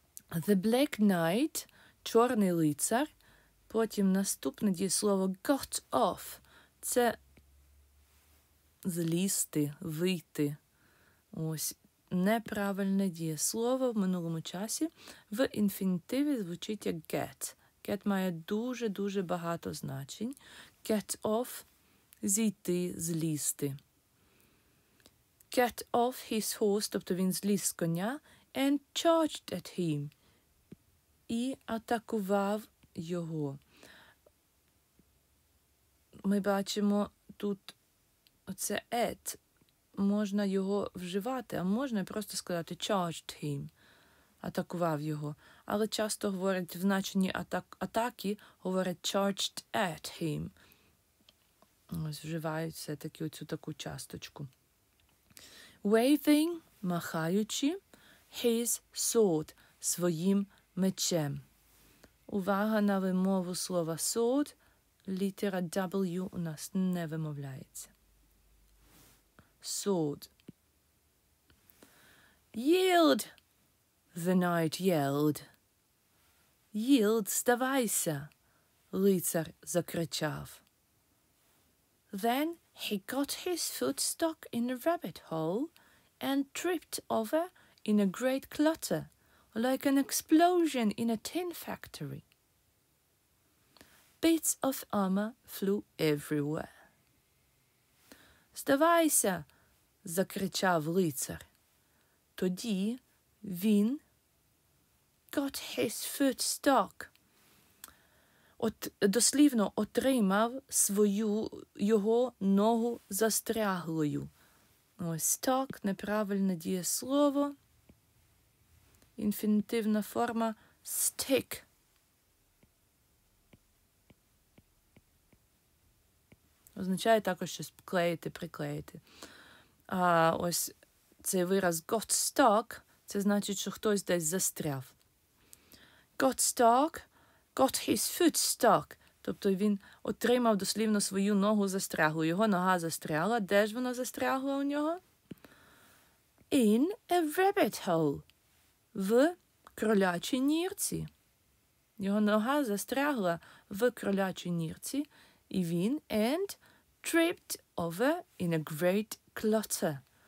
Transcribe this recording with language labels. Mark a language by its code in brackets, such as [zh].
[en] The Black Knight, [uk] чорний лицар, потім наступне дієслово got off, це злізти, вийти. Ось, неправильне дієслово в минулому часі в інфінітиві звучить як get. Get має дуже-дуже багато значень. Get off – зійти, злізти. [en] Get off his horse, [uk] тобто він зліз з коня, [en] and charged at him. [uk] І атакував його. Ми бачимо тут оце at. Можна його вживати, а можна просто сказати [en] charged him. [uk] Атакував його. Але часто говорять в значенні атаки, говорять [en] charged at him. [uk] Ось вживають все-таки оцю таку часточку. Waving, махаючи, [en] his sword, [uk] своїм мечем. Увага на вимову слова sword, літера W у нас не вимовляється. [en] Sword. Yield, the knight yelled. [uk] Yield, здавайся, лицар закричав. [en] Then he got his foot stuck in a rabbit hole and tripped over in a great clutter, like an explosion in a tin factory. Bits of armor flew everywhere. [uk] «Здавайся!» – закричав лицар. Тоді він [en] got his foot stuck. [uk] От дослівно отримав свою його ногу застряглою. Ось stuck – неправильне дієслово. Інфінітивна форма – stick. Означає також щось клеїти, приклеїти. А ось цей вираз got stuck – це значить, що хтось десь застряв. [en] Got stuck – got his foot stuck. [uk] Тобто він отримав дослівно свою ногу застряглу. Його нога застряла. Де ж вона застрягла у нього? [en] In a rabbit hole. [uk] В кролячій нірці. Його нога застрягла в кролячій нірці. І він [en] and tripped over in a great clutter.